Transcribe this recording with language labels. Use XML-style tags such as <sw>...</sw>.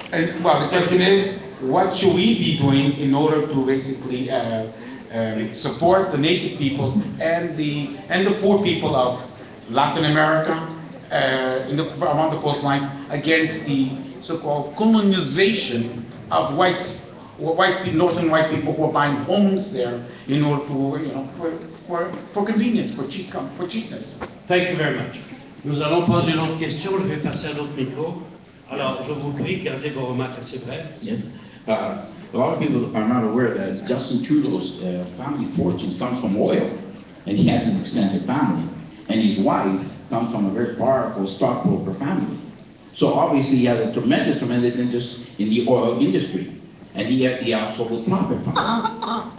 <en>And, well, the question is, what should we be doing in order to basically support the native peoples and the poor people of Latin America around the coastlines against the so-called colonization of northern white people who are buying homes there in order to for convenience, for cheapness. Thank you very much.</en> <fr>Nous allons prendre une autre question. Je vais passer à l'autre micro. Alors, je vous prie, gardez vos remarques assez brèves.</fr> <en>Yes. A lot of people are not aware that Justin Trudeau's family fortune comes from oil, and he has an extended family, and his wife comes from a very powerful stockbroker family. So obviously he has a tremendous, tremendous interest in the oil industry, and he has the absolute profit from it.</en>